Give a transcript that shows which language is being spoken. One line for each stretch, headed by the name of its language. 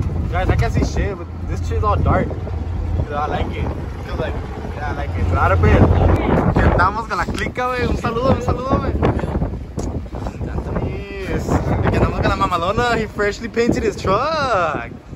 English: Guys, I can't see shit, but this shit's all dark. Dude, I like it. Because, like, yeah, I like it.
Spanish: Pero ahora, pues, andamos con la clica, wey. Un saludo, wey. Anthony's. Aquí andamos con la mamalona.
English: He freshly painted his truck.